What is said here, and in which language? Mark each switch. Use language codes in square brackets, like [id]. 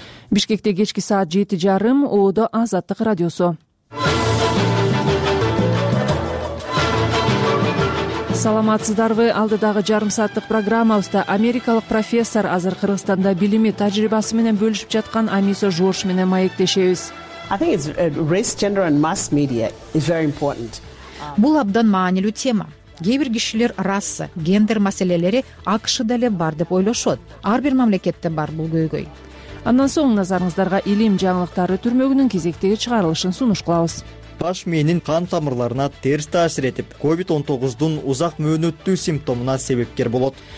[ky] Бишкекте кечки саат 7:30 ООДО Азаттык радиосу. Саламатсыздарбы, алдыдагы жарым сааттык программабызда америкалык профессор азыр Кыргызстанда билими тажрыйбасы менен бөлүшүп жаткан Амисо Жорж менен маектешебиз. [en] I think it's race, gender and mass media is very important. [ky] Бул абдан маанилүү тема. Кээ бир кишилер раса, гендер маселелери АКШда эле бар деп ойлошот. Ар бир мамлекетте бар бул көйгөй. Андан соң назарыңыздарга илим жаңылыктары түрмөгүнүн кезектеги чыгарылышын сунуш кылабыз. Баш мээнин кан тамырларына терс таасир этип, COVID-19'дун узак мөөнөттүү симптомуна себепкер болот.